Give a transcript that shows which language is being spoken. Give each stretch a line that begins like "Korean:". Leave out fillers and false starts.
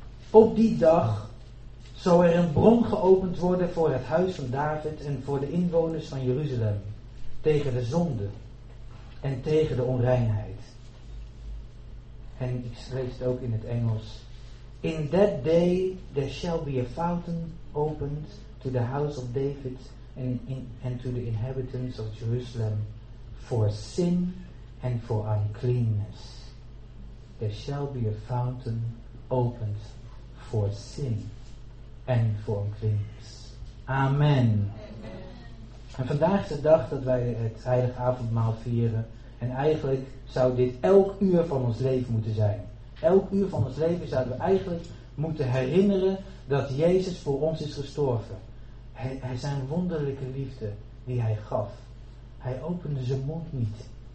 Dutch: Op die dag zal er een bron geopend worden voor het huis van David en voor de inwoners van Jeruzalem, tegen de zonde en tegen de onreinheid. En ik lees het ook in het Engels.
English: In that day there shall be a fountain opened to the house of David and to the inhabitants of Jerusalem for sin and for uncleanness. There shall be a fountain opened for sin and for uncleanness. Amen.
Dutch: En vandaag is de dag dat wij het heilige avondmaal vieren. En eigenlijk zou dit elk uur van ons leven moeten zijn. Elk uur van ons leven zouden we eigenlijk moeten herinneren dat Jezus voor ons is gestorven. Hij zijn wonderlijke liefde die hij gaf. Hij opende zijn mond niet.